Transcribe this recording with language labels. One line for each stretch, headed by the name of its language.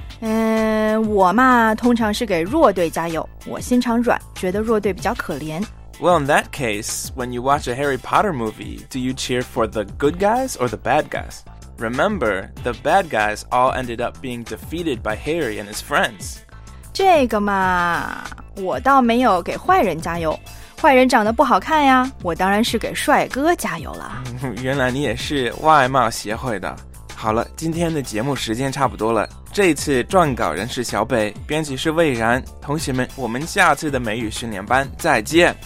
Chinese: 我嘛，通常是给弱队加油。我心肠软，觉得弱队比较可怜。
English: Well, in that case, when you watch a Harry Potter movie, do you cheer for the good guys or the bad guys? Remember, the bad guys all ended up being defeated by Harry and his friends.
Chinese: 这个嘛，我倒没有给坏人加油，坏人长得不好看呀，我当然是给帅哥加油了。原来你也是外貌协会的。好了，今天的节目时间差不多了，这次撰稿人是小北，编辑是魏然，同学们，我们下次的美语训练班再见，